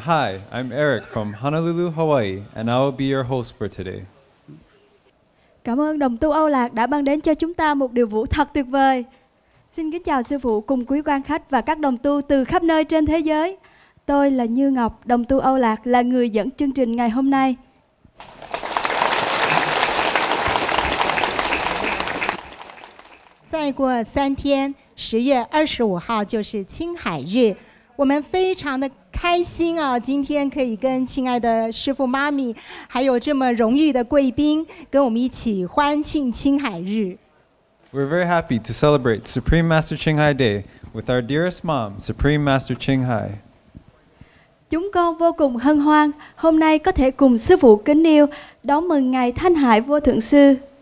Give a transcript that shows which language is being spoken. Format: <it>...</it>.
<en>Hi, I'm Eric from Honolulu, Hawaii, and I will be your host for today.</en> <vi>Cảm ơn đồng tu Âu Lạc đã mang đến cho chúng ta một điều vũ thật tuyệt vời. Xin kính chào sư phụ cùng quý quan khách và các đồng tu từ khắp nơi trên thế giới. Tôi là Như Ngọc, đồng tu Âu Lạc là người dẫn chương trình ngày hôm nay. Sau qua 3 ngày,</vi> <zh>10月25号就是青海日。我们非常的开心啊！今天可以跟亲爱的师父妈咪，还有这么荣誉的贵宾，跟我们一起欢庆青海日。</zh> <en>We're very happy to celebrate Supreme Master Qinghai Day with our dearest mom, Supreme Master Qinghai.</en> <vi>chúng con vô cùng hân hoan hôm nay có thể cùng sư phụ kính yêu đón mừng ngài Thanh Hải Vô Thượng Sư.</vi>